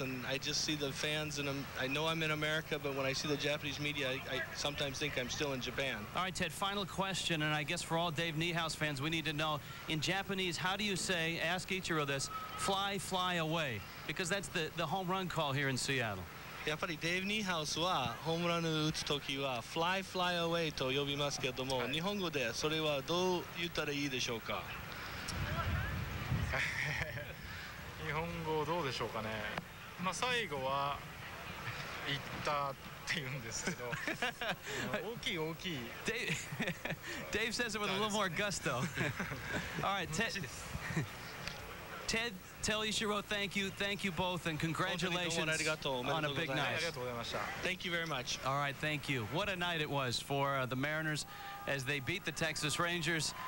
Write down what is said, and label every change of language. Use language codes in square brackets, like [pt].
[en] And I just see the fans, and I know I'm in America, but when I see the Japanese media, I sometimes think I'm still in Japan. All right, Ted, final question. And I guess for all Dave Niehaus fans, we need to know, in Japanese, how do you say, ask Ichiro this, fly, fly away? Because that's the home run call here in Seattle. [ja] やっぱりデイブ・ニーハウスはホームランを打つときは [en] fly, fly away [ja] と呼びますけども、はい、日本語でそれはどう言ったらいいでしょうか? 日本語どうでしょうかね。まあ、最後は言ったって言うんですけど、大きい大きい。 [en] Dave, Dave says it with a little more gusto. All right, Ted, tell Ichiro thank you both, and congratulations on a big night. Thank you very much. All right, thank you. What a night it was for the Mariners as they beat the Texas Rangers.